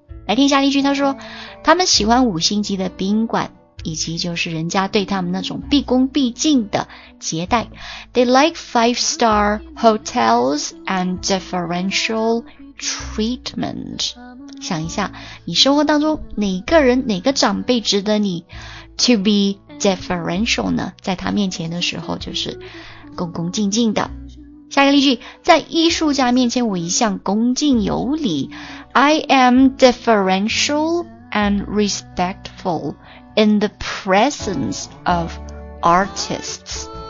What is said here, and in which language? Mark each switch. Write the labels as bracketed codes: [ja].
[zh] 来听一下例句，他说，他们喜欢五星级的宾馆，以及就是人家对他们那种毕恭毕敬的接待。 [en] They like five-star hotels and deferential treatment。 [zh] 想一下，你生活当中哪个人、哪个长辈值得你 [en] to be deferential [zh] 呢？在他面前的时候就是恭恭敬敬的。下一个例句，在艺术家面前我一向恭敬有礼。 [en] I am deferential and respectful in the presence of artists。